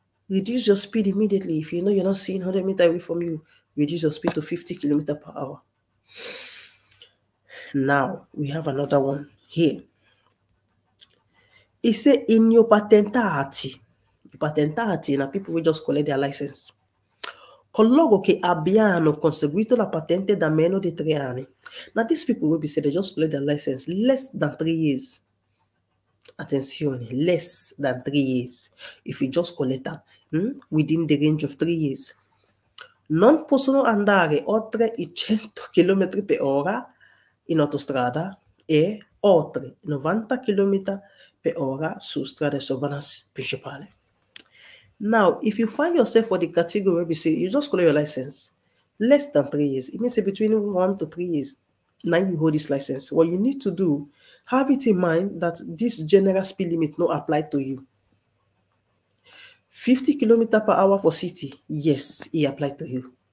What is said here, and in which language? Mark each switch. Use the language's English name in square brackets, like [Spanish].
[English] Reduce your speed immediately. If you know you're not seeing 100 meters away from you, reduce your speed to 50 kilometers per hour. Now, we have another one here. He said, in your patentati, now people will just collect their license. [Italian] Coloro che abbiano conseguito la patente da meno di 3 anni. [English] Now, these people will be said they just collect their license less than 3 years. Attenzione, less than 3 years. If you just collect that within the range of 3 years, [Italian] non possono andare oltre i 100 km per ora in autostrada e oltre 90 km per ora su strade sovrane principali. [English] Now, if you find yourself for the category BC, you just collect your license. Less than 3 years. It means between 1 to 3 years. Now you hold this license. What you need to do, have it in mind that this general speed limit not apply to you. 50 km per hour for city, yes, it apply to you.